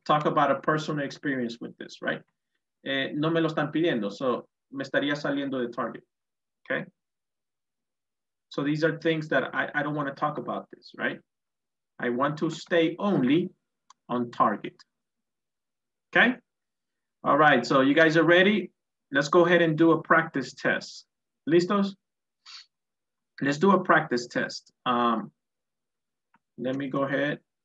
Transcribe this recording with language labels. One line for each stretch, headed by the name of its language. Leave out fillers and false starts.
English: Talk about a personal experience with this, right?
Spanish: No me lo están pidiendo, so me estaría saliendo de target, okay?
English: So these are things that I don't want to talk about this, right? I want to stay only on target, okay? All right, so you guys are ready? Let's go ahead and do a practice test.
Spanish: ¿Listos?
English: Let's do a practice test. Let me go ahead.